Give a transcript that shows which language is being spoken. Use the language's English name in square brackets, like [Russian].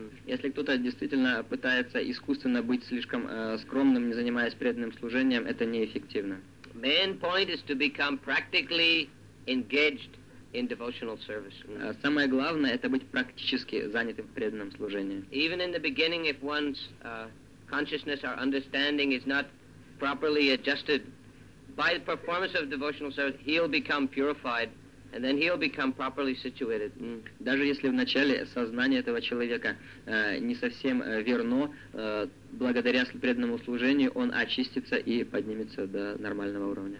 [Russian] Если кто-то действительно пытается искусственно быть слишком скромным, не занимаясь преданным служением, это неэффективно. [English] Main point is to become practically engaged in devotional service. [Russian] Самое главное это быть практически занятым в преданном служении. [English] Even in the beginning, if one's consciousness or understanding is not properly adjusted, by the performance of devotional service, he'll become purified, and then he'll become properly situated. [Russian] Даже если в начале сознание этого человека не совсем верно, благодаря преданному служению он очистится и поднимется до нормального уровня.